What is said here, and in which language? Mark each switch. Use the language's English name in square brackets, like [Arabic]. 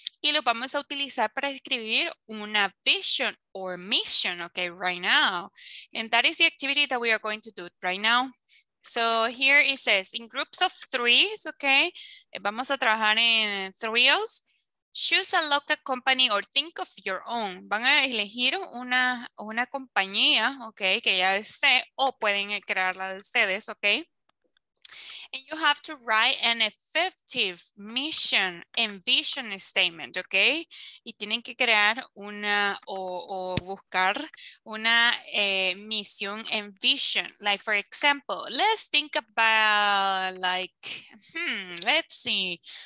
[Spanish] Y los vamos a utilizar para escribir una vision or mission, okay, [English] right now. And that is the activity that we are going to do right now. So here it says, in groups of threes, okay, [Spanish] vamos a trabajar en [English] threes. Choose a local company or think of your own. [Spanish] Van a elegir una compañía, okay, que ya esté, o pueden crearla de ustedes, okay? [English] And you have to write an effective mission and vision statement, okay? [Spanish] Y tienen que crear una o buscar una misión and vision. [English] Like, for example, let's think about, like, let's see.